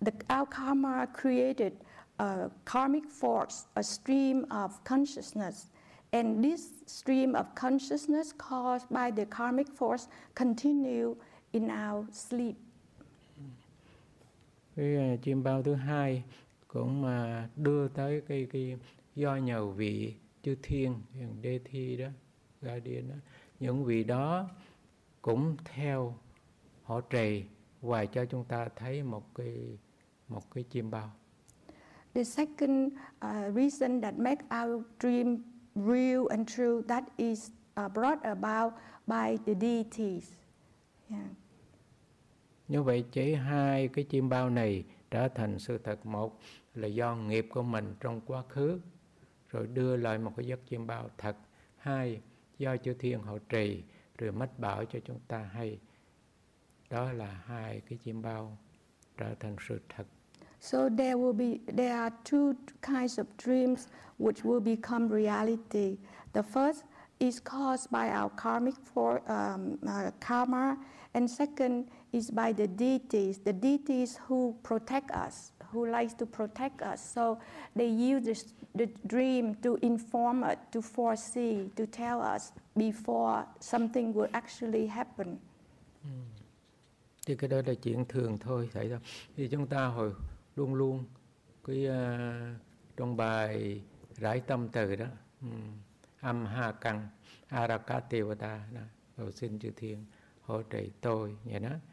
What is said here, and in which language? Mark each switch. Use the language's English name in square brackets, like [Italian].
[English] Our karma created a karmic force, a stream of consciousness. And this stream of consciousness caused by the karmic force continue in our sleep. [Vietnamese] Cái chiêm bao thứ hai cũng đưa tới cái do nhờ vị chư thiên, đê thi đó, guardian đó. Những vị đó cũng theo hỗ trợ và cho chúng ta thấy một cái chiêm bao. [English] The second reason that make our dream real and true, that is brought about by the deities. [Vietnamese] Như vậy chỉ hai cái chiêm bao này trở thành sự thật. Một là do nghiệp của mình trong quá khứ rồi đưa lại một cái giấc chiêm bao thật. Hai, do chư thiên hộ trì rồi mách bảo cho chúng ta hay. Đó là hai cái chiêm bao trở thành sự thật. [English] So there are two kinds of dreams which will become reality. The first is caused by our karmic karma, and second is by the deities who protect us, who likes to protect us. So they use the dream to inform us, to foresee, to tell us before something will actually happen. [Vietnamese] Thì cái đó là chuyện thường thôi xảy ra. Thì chúng ta hồi luôn luôn cái trong bài rải tâm từ đó, âm ha căng arakatevata cầu xin chư thiên hỗ trợ tôi, vậy đó.